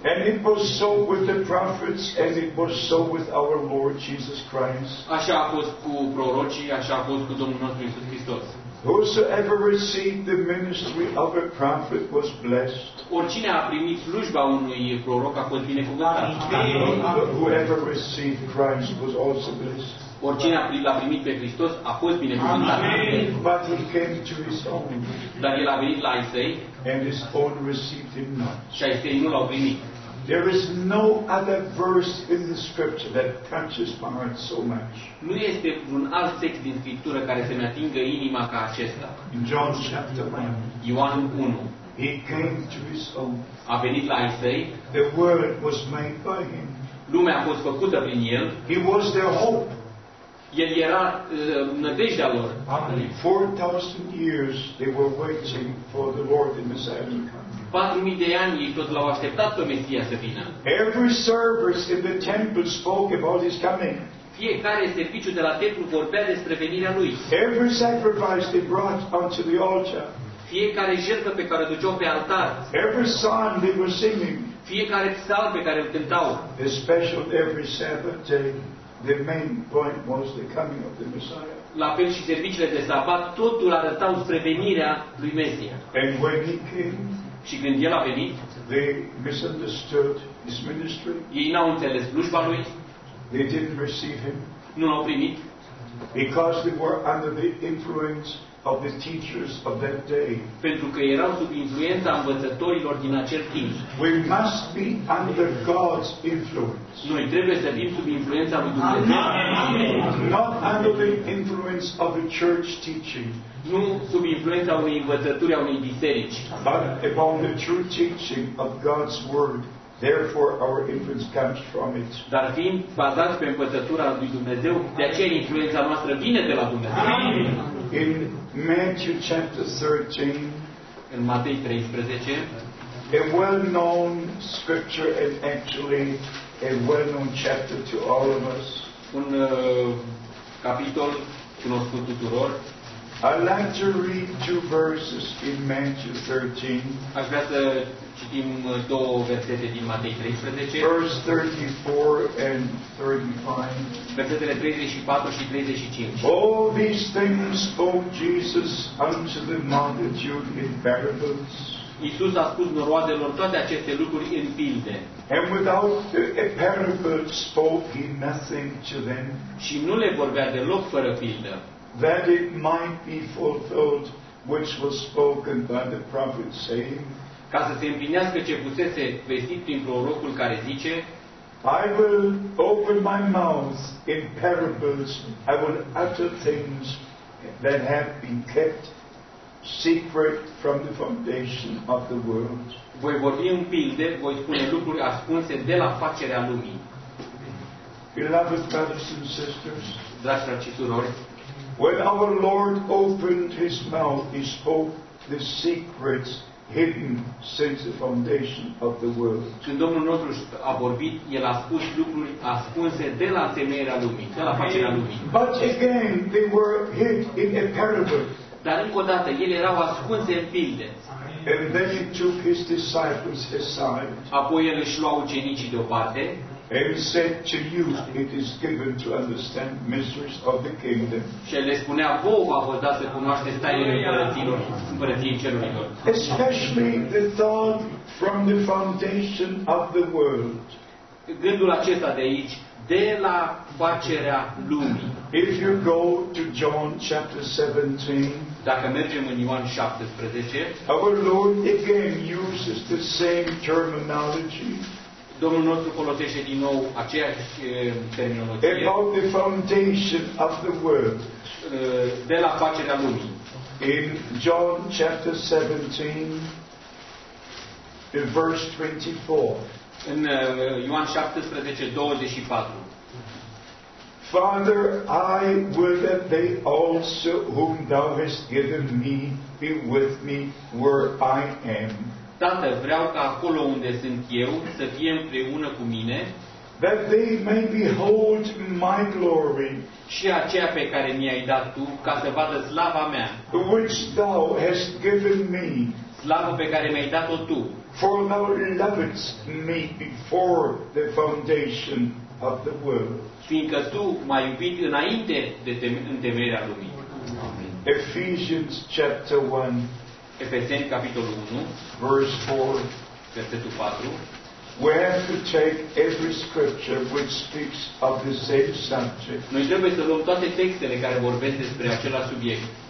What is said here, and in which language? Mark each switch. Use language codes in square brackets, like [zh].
[en] And it was so with the prophets and it was so with our Lord Jesus Christ. [ro] Așa a fost cu prorocii, așa a fost cu Domnul nostru Iisus Hristos. [en] Whosoever received the ministry of a prophet was blessed. [ro] Oricine a primit slujba unui proroc a fost binecuvântat. [en] Whoever received Christ was also blessed. [ro] Oricine l-a primit pe Hristos a fost binecuvântat. [en] But he came to his own. [ro] Dar el a venit la ai săi. [en] And his own received him not. [ro] Și ai săi nu l-au primit. [en] There is no other verse in the scripture that touches my heart so much. [ro] Nu este un alt text din scriptură care să-mi atingă inima ca acesta. [en] In John chapter 1. [ro] Ioan 1. [en] He came to his own. [ro] A venit la ai săi. [en] The word was made by him. [ro] Lumea a fost făcută prin el. [en] He was their hope. [ro] El era nădejdea lor. [en] 4000 years they were waiting for the Lord the Messiah to come. [ro] 4000 de ani ei tot l-au așteptat pe Mesia să vină. [en] Every service in the temple spoke about his coming. [ro] Fiecare serviciu de la templu vorbea despre venirea lui. [en] Every sacrifice they brought onto the altar. [ro] Fiecare jertfă pe care o duceau pe altar. [en] Every song they were singing. [ro] Fiecare psalm pe care îl cântau. [en] Especially every Sabbath day. The main point was the coming of the Messiah. [ro] La fel și serviciile de sabat, totul arătau spre venirea lui Mesia. [en] And when he came, [ro] și când el a venit, [en] they misunderstood his ministry. [ro] Ei n-au înțeles slujba lui. [en] They didn't receive him. [ro] Nu l-au primit. [en] Because they were under the influence of the teachers of that day. [ro] Pentru că erau sub influența învățătorilor din acel timp. [en] We must be under God's influence. [ro] Noi trebuie să fim sub influența lui Dumnezeu. [en] Not under the influence of a church teaching. [ro] Nu sub influența unei învățături a unei biserici. [en] But upon the true teaching of God's word. Therefore our influence comes from it. [ro] Dar fiind bazați pe învățătura lui Dumnezeu, de aceea influența noastră vine de la Dumnezeu. [en] In Matthew chapter 13, [ro] în Matei 13, [en] a well-known scripture and actually a well-known chapter to all of us. [ro] Un capitol cunoscut tuturor. [en] I'd like to read two verses in Matthew 13. [ro] Aș vrea să citim două versete din Matei 13. [en] Verse 34 and 35. [ro] Versetele 34 și 35. [en] All these things spoke Jesus unto the multitude in parables. [ro] Iisus a spus noroadelor toate aceste lucruri în pilde. [en] And without a parable spoke he nothing to them. [ro] Și nu le vorbea deloc fără pildă. [en] That it might be fulfilled which was spoken by the prophet saying, [ro] ca să se împlinească ce fusese vestit prin prorocul care zice, [en] I will open my mouth in parables, I will utter things that have been kept secret from the foundation of the world. [ro] Voi vorbi în pilde, voi spune lucruri ascunse de la facerea lumii. [en] Beloved brothers and sisters, [ro] dragi frați și surori, [en] when our Lord opened his mouth, he spoke the secrets hidden since the foundation of the world. [ro] Când Domnul nostru a vorbit, el a spus lucruri ascunse de la temerea lumii, de la facerea lumii. [en] But again, they were hid in a parable. [ro] Dar încă o dată, ele erau ascunse în pilde. [en] And then he took his disciples aside. [ro] Apoi el își lua ucenicii deoparte. [en] And said to you, it is given to understand mysteries of the kingdom. [ro] Și le spunea, vouă vă dați să cunoașteți tainele împărăției cerurilor. [en] Especially the thought from the foundation of the world. [ro] Gândul acesta de aici, de la facerea lumii. [en] If you go to John chapter 17, [ro] dacă mergem în Ioan 17, [en] our Lord again uses the same terminology. [ro] Domnul nostru folosește din nou aceeași terminologie. [en] About the foundation of the world. [ro] De la facerea lumii. [en] In John chapter 17, in verse 24. [ro] În Ioan 17, 24. [en] Father, I will that they also whom thou hast given me be with me where I am. [ro] Tată, vreau ca acolo unde sunt eu să fie împreună cu mine, [en] that they may behold my glory, [ro] și aceea pe care mi-ai dat tu, ca să vadă slava mea, [en] which thou hast given me, [ro] slava pe care mi-ai dat-o tu, [en] for thou lovedst me before the foundation of the world, [ro] fiindcă tu m-ai iubit înainte de întemeierea lumii. [en] Ephesians chapter 1, [ro] Efeseni capitolul 1, [en] verse 4, [ro] versetul 4. [en] We have to take every scripture which speaks of the same subject. [ro] Noi trebuie să luăm toate textele care vorbesc despre același subiect.